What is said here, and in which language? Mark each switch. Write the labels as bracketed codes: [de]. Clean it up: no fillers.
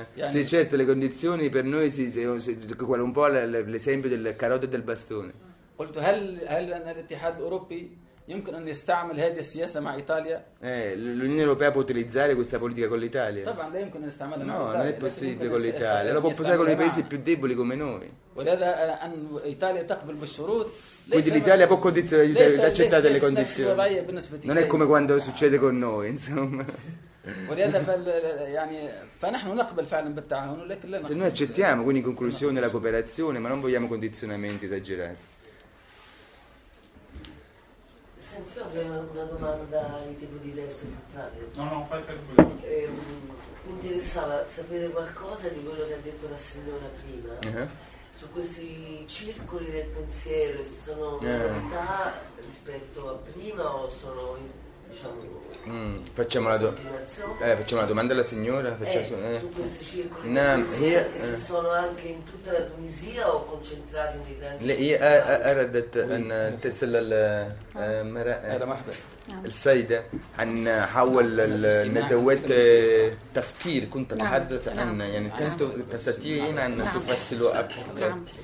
[it] Sì certo le condizioni per noi quello un po' l'esempio del carote e del bastone. [ar] قلت هل أن الاتحاد الأوروبي يمكن أن يستعمل هذه السياسة مع إيطاليا؟ [it] l'Unione Europea può utilizzare questa politica con l'Italia. [ar] طبعا لا يمكن أن يستعملها مع إيطاليا. [it] No, non è possibile con l'Italia. Lo può usare con i paesi più deboli come noi. [ar] ولذا أن إيطاليا تقبل بالشروط. [it] Quindi l'Italia può accettare delle condizioni. Non è come quando succede con noi, insomma. [ar] ولذا يعني فنحن نقبل فعلا بالتعاون ولكن لا. [it] Noi accettiamo quindi in conclusione la cooperazione ma non vogliamo condizionamenti esagerati. una domanda di tipo diverso. No, fai quello. Mi interessava sapere qualcosa di quello che ha detto la signora prima, su questi circoli del pensiero, se sono in realtà rispetto a prima o sono, diciamo, Facciamo la domanda. Facciamo la domanda alla signora. Sono anche in tutta la Tunisia o concentrati nei grandi [ar] السيدة عن حول الندوات تفكير كنت تحدث عن يعني كنت تستطيعين أن تفصلوا أكثر.